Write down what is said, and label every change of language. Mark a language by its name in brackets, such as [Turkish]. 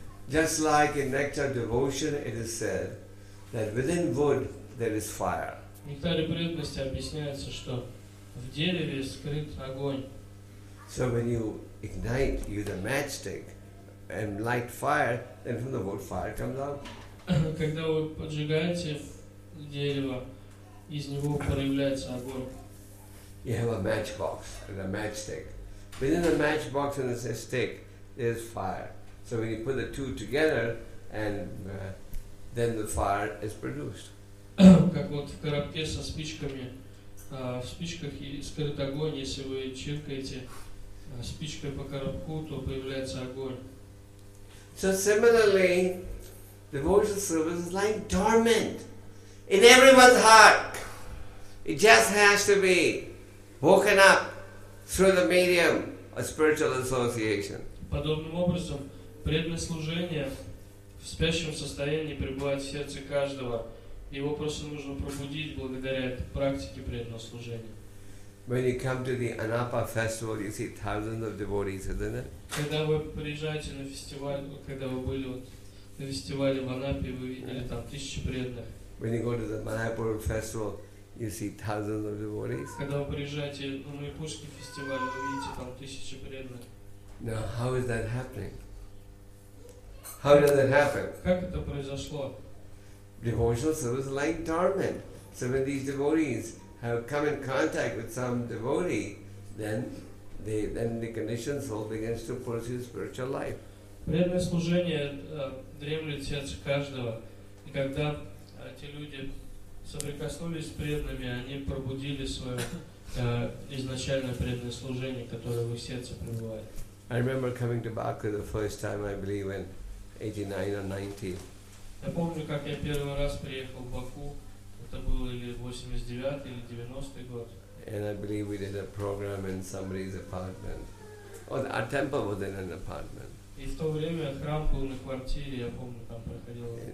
[English] Just like in nectar devotion, it is said that within wood there is fire. [Russian] В нектаре преданности объясняется, что в дереве скрыт огонь. [English] So when you ignite, use a matchstick and light fire, then from the wood fire comes out. [Russian] Когда вы поджигаете дерево, из него появляется огонь. [English] You have a matchbox and a matchstick. Within the matchbox and the stick, there's fire. So when you put the two together, and then the fire is produced. [Russian] Как вот в коробке со спичками, в спичках скрыт огонь, если вы чиркаете спичкой по коробку, то появляется огонь. [English] So similarly, devotional service is like dormant in everyone's heart. It just has to be woken up through the medium of spiritual association. [Russian] Подобным образом, преданное служение в спящем состоянии пребывает в сердце каждого. Его просто нужно пробудить благодаря практике преданного служения. [English] When you come to the Anapa festival, you see thousands of devotees, isn't it? [Russian] Когда вы приезжаете на фестиваль, когда вы были вот на фестивале в Анапе, вы видели там тысячи преданных. [English] When you go to the Майяпур festival, you see thousands of devotees. [Russian] Когда вы приезжаете на Майяпурский фестиваль, вы видите там тысячи преданных. [English] Now, how is that happening? How does it happen? [Russian] Как это произошло? [English] Devotional service is like dormant. So when these devotees have come in contact with some devotee, then the conditions all begins to pursue spiritual life. [Russian] Преданное служение дремлет в сердце каждого, и когда те люди соприкоснулись с преданными, они пробудили свое изначальное преданное служение, которое в их сердце пребывает. [English] I remember coming to Baku the first time, I believe, in 89 or 90. [Russian] Я помню, как я первый раз приехал в Баку. Это был или 89 или 90 год. [English] And I believe we did a program in somebody's apartment. Our temple was in an apartment. [Russian] И в то время храм был на квартире, я помню, там проходил